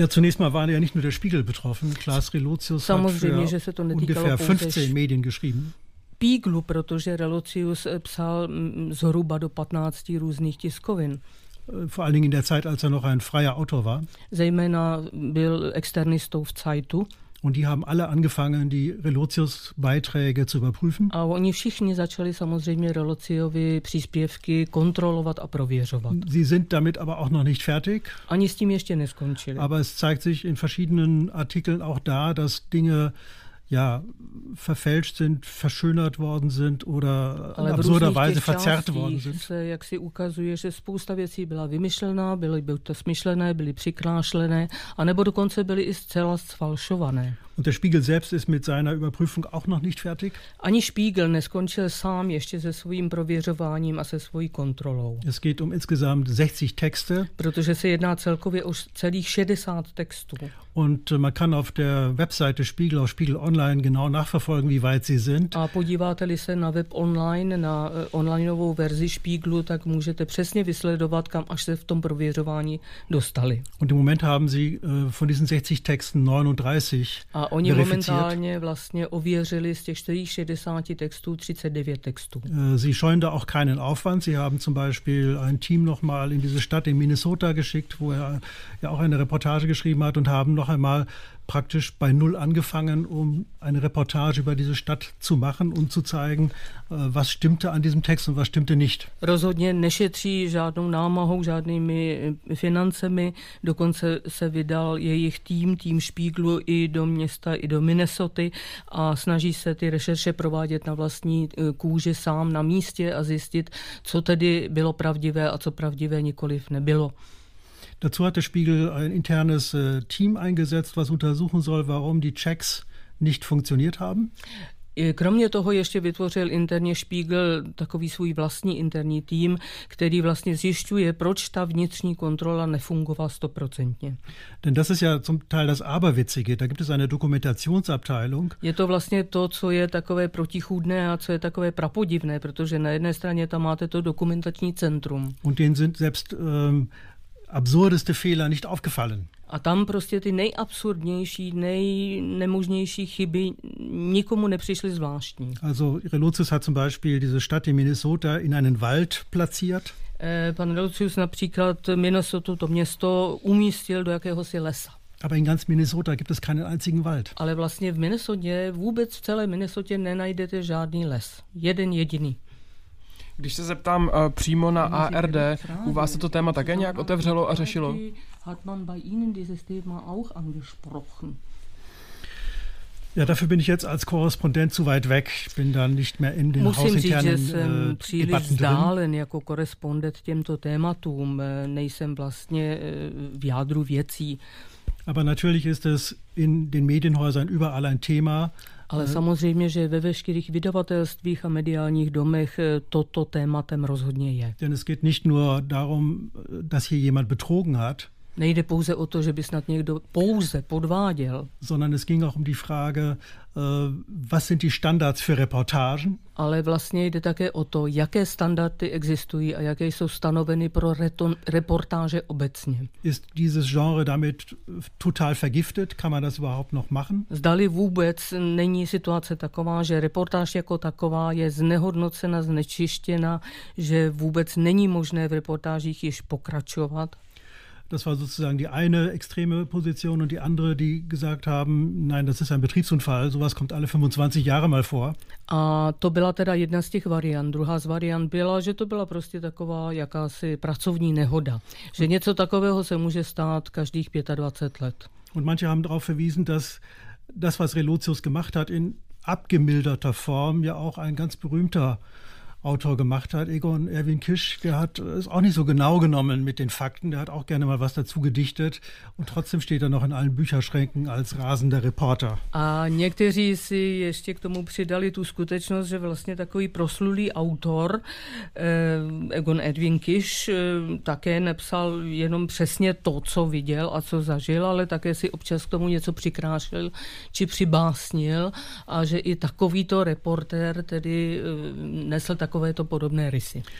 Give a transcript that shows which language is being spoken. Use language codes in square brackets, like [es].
[de] Ja, zunächst mal waren ja nicht nur der Spiegel betroffen. Klaas Relotius hat für ungefähr 15 Medien geschrieben. [cs] Spiegelu, protože Relotius psal zhruba do 15 různých tiskovin. [de] Vor allen Dingen in der Zeit, als er noch ein freier Autor war. [cs] Zejména byl externistou v Zeitu. [de] Und die haben alle angefangen, die Relotius-Beiträge zu überprüfen. [cs] A oni všichni začali samozřejmě Relotiovi příspěvky kontrolovat a prověřovat. [de] Sie sind damit aber auch noch nicht fertig. [cs] Ani s tím ještě neskončili. [de] Aber es zeigt sich in verschiedenen Artikeln auch da, dass Dinge ja, verfälscht sind, verschönert worden sind oder [cs] ale [de] in absurder Weise verzerrt worden sind. [cs] Se, jak si ukazuje, že spousta věcí byla vymyšlená, byly to smyšlené, byly přikrášlené, anebo dokonce byly i zcela sfalšované. [de] Und der Spiegel selbst ist mit seiner Überprüfung auch noch nicht fertig. [cs] Ani Spiegel neskončil sám ještě se svým prověřováním a se svojí kontrolou. [de] Es geht um insgesamt 60 Texte. [cs] Protože se jedná celkově o celých 60 textů. [de] Und man kann auf der Webseite Spiegel auf Spiegel Online genau nachverfolgen, wie weit sie sind. [cs] A podíváte-li se na web online, na onlineovou verzi Spiegelu, tak můžete přesně vysledovat, kam až se v tom prověřování dostali. [de] Und im Moment haben sie von diesen 60 Texten 39. [cs] A oni momentálně vlastně ověřili z těch 60 textů 39 textů. [de] Sie scheuen da auch keinen Aufwand. Sie haben zum Beispiel ein Team nochmal in diese Stadt in Minnesota geschickt, wo er ja auch eine Reportage geschrieben hat und haben noch einmal praktisch bei Null angefangen, um eine Reportage über diese Stadt zu machen und zu zeigen, was stimmte an diesem Text und was stimmte nicht. [cs] Rozhodně nešetří žádnou námahou, žádnými financemi. Dokonce se vydal jejich tým Spiegelu i do města, i do Minnesoty a snaží se ty rešerše provádět na vlastní kůži sám na místě a zjistit, co tedy bylo pravdivé a co pravdivé nikoliv nebylo. [de] Dazu hat der Spiegel ein internes Team eingesetzt, was untersuchen soll, warum die Checks nicht funktioniert haben. [cs] Kromě toho ještě vytvořil interně Spiegel takový svůj vlastní interní tým, který vlastně zjišťuje, proč ta vnitřní kontrola nefungovala stoprocentně. [de] Denn das ist ja zum Teil das Aberwitzige, da gibt es eine Dokumentationsabteilung. [cs] Je to vlastně to, co je takové protichůdné a co je takové prapodivné, protože na jedné straně tam máte to dokumentační centrum. [de] Und denen sind selbst absurdeste Fehler nicht aufgefallen. [cs] A tam prostě ty nejabsurdnější, nejnemožnější chyby nikomu nepřišly zvláštní. [de] Also Relotius hat zum Beispiel diese Stadt in Minnesota in einen Wald platziert. [cs] Pan Relotius například Minnesotu, to město, umístil do jakéhosi lesa. [de] Aber in ganz Minnesota gibt es keinen einzigen Wald. [cs] Ale vlastně v Minnesotě, vůbec v celé Minnesotě nenajdete žádný les. Jeden jediný. Když se zeptám přímo na ARD, u vás se to téma také nějak otevřelo a řešilo? [de] Hat man bei Ihnen dieses Thema auch angesprochen? Ja, dafür bin ich jetzt als Korrespondent zu weit weg. Ich bin dann nicht mehr in den [cs] Musím [de] hausinternen [cs] říct, že jsem příliš vzdálen jako korespondent těmto tématům. Nejsem vlastně v jádru věcí. [de] Aber natürlich ist es in den Medienhäusern überall ein Thema. [cs] Ale samozřejmě, že ve veškerých vydavatelstvích a mediálních domech toto tématem rozhodně je. [de] Denn es geht nicht nur darum, dass hier jemand betrogen hat. [cs] Nejde pouze o to, že by snad někdo pouze podváděl. [de] Sondern es ging auch um die Frage, was sind die Standards für Reportagen? [cs] Ale vlastně jde také o to, jaké standardy existují a jaké jsou stanoveny pro reportáže obecně. [de] Ist dieses Genre damit total vergiftet? Kann man das überhaupt noch machen? [cs] Zdali vůbec není situace taková, že reportáž jako taková je znehodnocena, znečištěna, že vůbec není možné v reportážích již pokračovat? [de] Das war sozusagen die eine extreme Position und die andere, die gesagt haben, nein, das ist ein Betriebsunfall, sowas kommt alle 25 Jahre mal vor. [cs] A to byla teda jedna z těch variant. Druhá z variant byla, že to byla prostě taková jakási pracovní nehoda. Že něco takového se může stát každých 25 let. [de] Und manche haben darauf verwiesen, dass das, was Relotius gemacht hat, in abgemilderter Form ja auch ein ganz berühmter Autor gemacht hat, Egon Erwin Kisch, der hat es auch nicht so genau genommen mit den Fakten, der hat auch gerne mal was dazu gedichtet und trotzdem steht er noch in allen Bücherschränken als rasender Reporter. [cs] A někteří si ještě k tomu přidali tu skutečnost, že vlastně takový proslulý autor, Egon Erwin Kisch, také nepsal jenom přesně to, co viděl a co zažil, ale také si občas k tomu něco přikrášel či přibásnil a že i takovýto reportér tedy nesl takovéto podobné rysy.